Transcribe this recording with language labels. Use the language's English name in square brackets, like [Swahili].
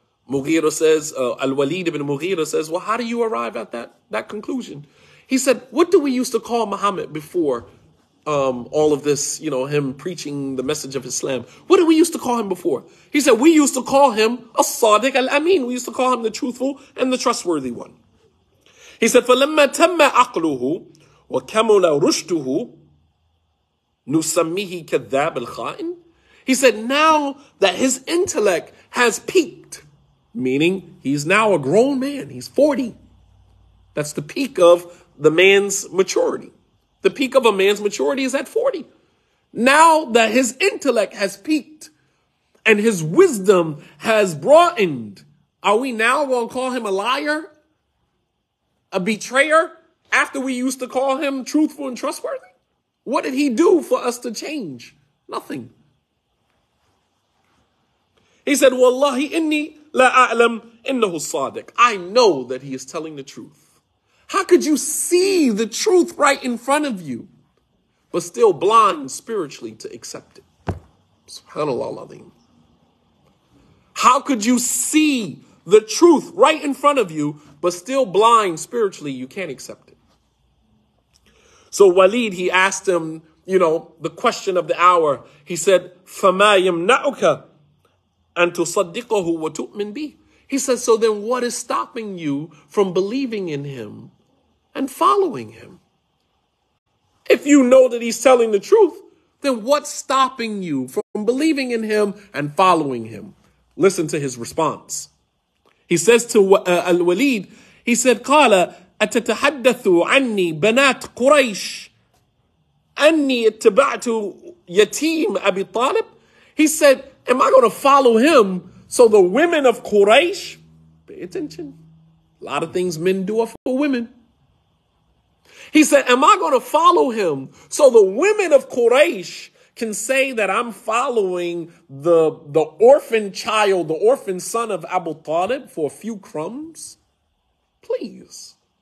[English] Mughira says, Al-Walid ibn Mughira says, well, how do you arrive at that conclusion? He said, what do we used to call Muhammad before all of this, you know, him preaching the message of Islam. What did we used to call him before? He said, we used to call him As-Sadiq Al-Amin. We used to call him the truthful and the trustworthy one. He said, [Arabic] فَلَمَّا تَمَّ عَقْلُهُ وَكَمُلَ رُشْدُهُ نُسَمِّهِ كَذَّابِ الْخَائِنِ. [English] He said, now that his intellect has peaked, meaning he's now a grown man, he's 40. That's the peak of the man's maturity. The peak of a man's maturity is at 40. Now that his intellect has peaked and his wisdom has broadened, are we now going to call him a liar, a betrayer, after we used to call him truthful and trustworthy? What did he do for us to change? Nothing. He said, [Arabic] Wallahi inni la a'lam innahu sadiq. [English] I know that he is telling the truth. How could you see the truth right in front of you, but still blind spiritually to accept it? SubhanAllah. How could you see the truth right in front of you, but still blind spiritually, you can't accept it? So Walid, he asked him, you know, the question of the hour. He said, [Arabic] فَمَا يَمْنَعُكَ أَن تُصَدِّقَهُ وَتُؤْمِن بِهِ. [English] He said, so then what is stopping you from believing in him and following him? If you know that he's telling the truth, then what's stopping you from believing in him and following him? Listen to his response. He says to Al-Walid, he said, [Arabic] قَالَ أَتَتَحَدَّثُ عَنِّي بَنَاتْ قُرَيْشْ أَنِّي اتَّبَعْتُ يَتِيم أَبِي طَالِبْ. [English] He said, am I going to follow him so the women of Quraysh, pay attention, a lot of things men do are for women. He said, am I going to follow him so the women of Quraysh can say that I'm following the orphan child, the orphan son of Abu Talib for a few crumbs? Please.